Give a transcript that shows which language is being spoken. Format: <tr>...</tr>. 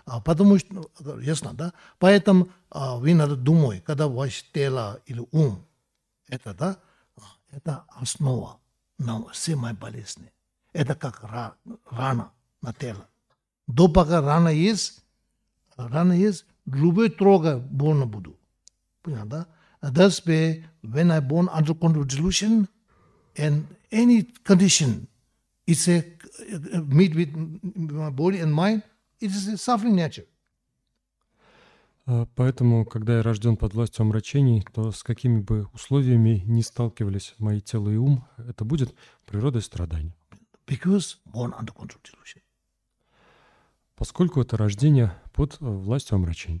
<ru>Потому что, ясно, да? Поэтому вы надо думать, когда ваше тело или ум, это, да, это основа на все мои болезни. Это как рана на тело. До пока рана есть, любой трогай, больно буду. Понятно, да?</ru> <en>That's why when I born under control delusion and any condition, it's a meet with my body and mind, it is a suffering nature.</en> <ru>Поэтому, когда я рожден под властью омрачений, то с какими бы условиями ни сталкивались мои тело и ум, это будет природой страдания.</ru> <en>Because born under control delusion.</en> <ru>Поскольку это рождение под властью омрачений.</ru>